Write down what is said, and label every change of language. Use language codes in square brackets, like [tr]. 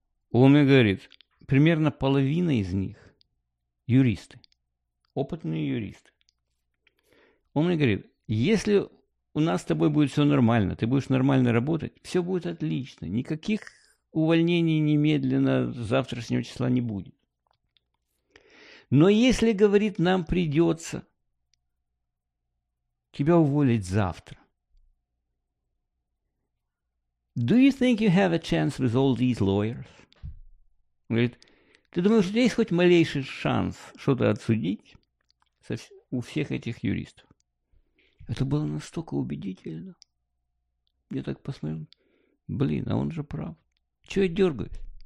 [ru] Он мне говорит: примерно половина из них юристы, опытные юристы. Он мне говорит: если у нас с тобой будет все нормально, ты будешь нормально работать, все будет отлично, никаких увольнений немедленно с завтрашнего числа не будет. Но если, говорит, нам придется тебя уволить завтра, [en] do you think you have a chance with all these lawyers? [ru] Он говорит: ты думаешь, у тебя есть хоть малейший шанс что-то отсудить у всех этих юристов? Это было настолько убедительно. Я так посмотрел: блин, а он же прав. Чего я дергаюсь?